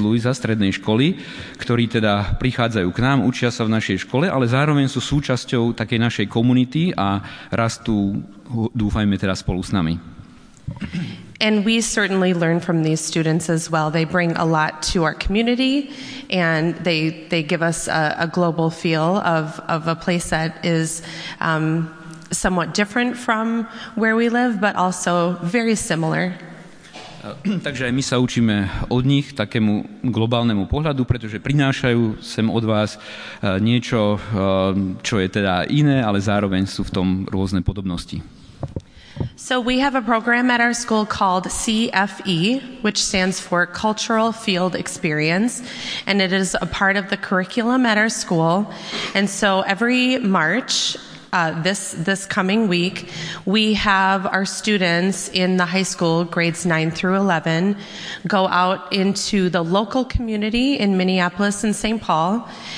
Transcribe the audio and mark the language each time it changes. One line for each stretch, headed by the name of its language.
Slovak: Lewisa, strednej školy, ktorí teda prichádzajú k nám, učia sa v našej škole, ale zároveň sú súčasťou takej našej komunity a rastú, dúfajme teda, spolu s nami.
English: And we certainly learn from these students as well. They bring a lot to our community and they give us a global feel of a place that is... somewhat different from where we live, but also very similar.
Slovak: Takže aj my sa učíme od nich takému globálnemu pohľadu, pretože prinášajú sem od vás niečo, čo je teda iné, ale zároveň sú v tom rôzne podobnosti.
English: So we have a program at our school called CFE, which stands for Cultural Field Experience, and it is a part of the curriculum at our school. And so every March, this coming week, we have our students in the high school, grades 9 through 11, go out into the local community in Minneapolis and St. Paul.